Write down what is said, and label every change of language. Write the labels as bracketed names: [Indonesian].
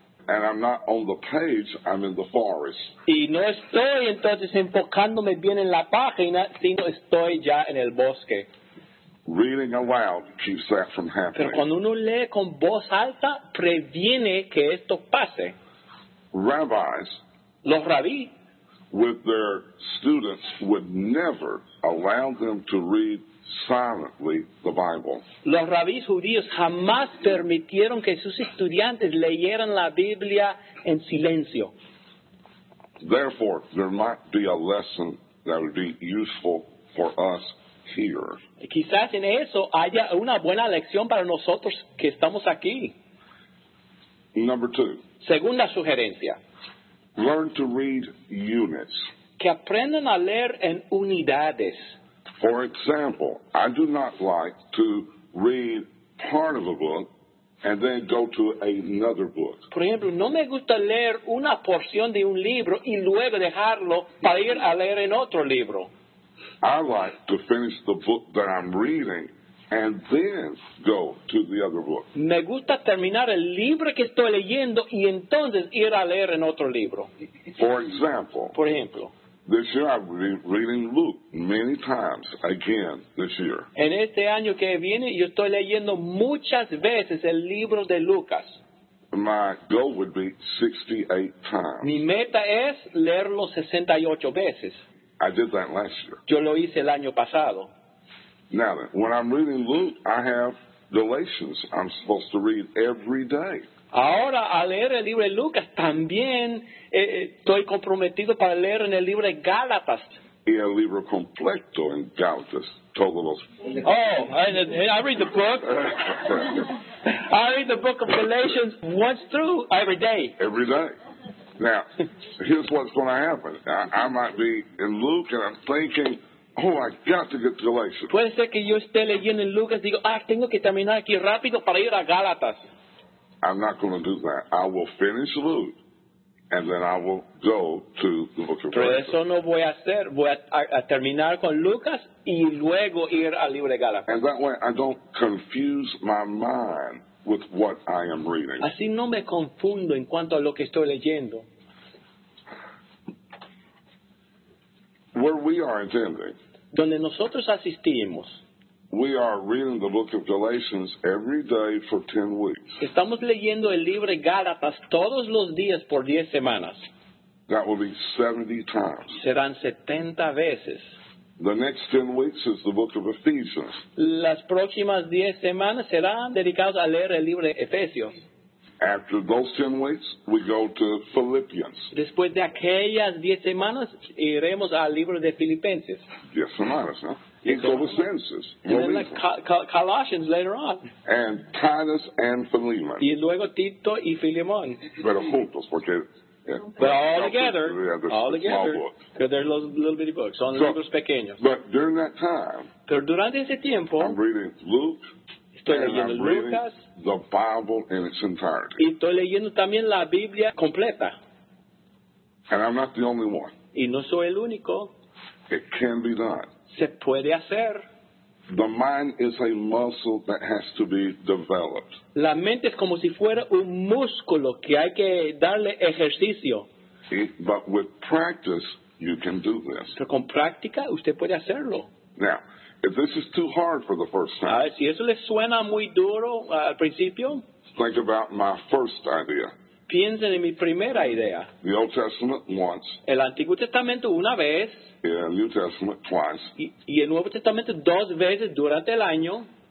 [English] And I'm not on the page, I'm in the forest. [Spanish] Y no estoy entonces enfocándome bien en la página, sino estoy ya en el bosque. [English] Reading aloud keeps that from happening. [Spanish] Pero cuando uno lee con voz alta, previene que esto pase. [English] Rabbis, [Spanish] los rabíes, [English] with their students, would never allow them to read silently the Bible. [Spanish] Los rabíes judíos jamás permitieron que sus estudiantes leyeran la Biblia en silencio. [English] Therefore, there might be a lesson that would be useful for us here. [Spanish] Quizás en eso haya una buena lección para nosotros que estamos aquí. [English] Number two. [Spanish] Segunda sugerencia. [English] Learn to read units. [Spanish] Que aprendan a leer en unidades. [English] For example, I do not like to read part of a book and then go to another book. [Spanish] Por ejemplo, no me gusta leer una porción de un libro y luego dejarlo para ir a leer en otro libro. [English] I like to finish the book that I'm reading and then go to the other book. [Spanish] Me gusta terminar el libro que estoy leyendo y entonces ir a leer en otro libro. [English] For example. [Spanish] Por ejemplo. [English] This year I've been reading Luke many times again this year. [Spanish] En este año que viene yo estoy leyendo muchas veces el libro de Lucas. [English] My goal would be 68 times. [Spanish] Mi meta es leerlo 68 veces. [English] I did that last year. [Spanish] Yo lo hice el año pasado. [English] Now then, when I'm reading Luke, I have Galatians I'm supposed to read every day. [Spanish] Ahora, al leer el libro de Lucas, también estoy comprometido para leer en el libro de Gálatas. Y el libro completo en Gálatas, todos los... [English] Oh, I read the book. I read the book of Galatians once through every day. Every day. Now, here's what's going to happen. I might be in Luke and I'm thinking, oh, I got to get to Galatians. [Spanish] Puede ser que yo esté leyendo en Lucas y digo, tengo que terminar aquí rápido para ir a Gálatas. [English] I'm not going to do that. I will finish Luke, and then I will go to the book of Galatians. [Spanish] Pero eso no voy a hacer. Voy a terminar con Lucas y luego ir al libro de Gálatas. [English] And that way I don't confuse my mind with what I am reading. [Spanish] Así no me confundo en cuanto a lo que estoy leyendo. [English] Where we are attending, [Spanish] donde nosotros asistimos, [English] we are reading the book of Galatians every day for 10 weeks. [Spanish] Estamos leyendo el libro de Gálatas todos los días por 10 semanas. [English] That will be 70 times. [Spanish] Serán 70 veces. [English] The next 10 weeks is the book of Ephesians. [Spanish] Las próximas 10 semanas serán dedicadas a leer el libro de Efesios. [English] After those 10 weeks, we go to Philippians. [Spanish] Después de aquellas 10 semanas, iremos al libro de Filipenses. 10 semanas, ¿no? [English] In Colossians. And then Colossians later on. And Titus and Philemon. [Spanish] Y luego Tito y Filemón. Pero juntos, porque... Yeah. [English] But all together, because there's those little bitty books, [Spanish] son libros pequeños. [English] But during that time, [Spanish] pero durante ese tiempo, [English] I'm reading Luke, [Spanish] estoy leyendo Lucas, [English] the Bible in its entirety. [Spanish] Y estoy leyendo también la Biblia completa. [English] And I'm not the only one. [Spanish] Y no soy el único. [English] It can be done. [Spanish] Se puede hacer. [English] The mind is a muscle that has to be developed. [Spanish] La mente es como si fuera un músculo que hay que darle ejercicio. [English] But with practice, you can do this. [Spanish] Pero con práctica, usted puede hacerlo. [English] Now, if this is too hard for the first time, [Spanish] si eso le suena muy duro al principio, [English] think about my first idea. [Spanish] Piensen en mi primera idea. [English] The Old Testament once. [Spanish] El Antiguo Testamento una vez. [English] Yeah, New Testament twice. [Spanish] Y el Nuevo Testamento dos veces durante el año.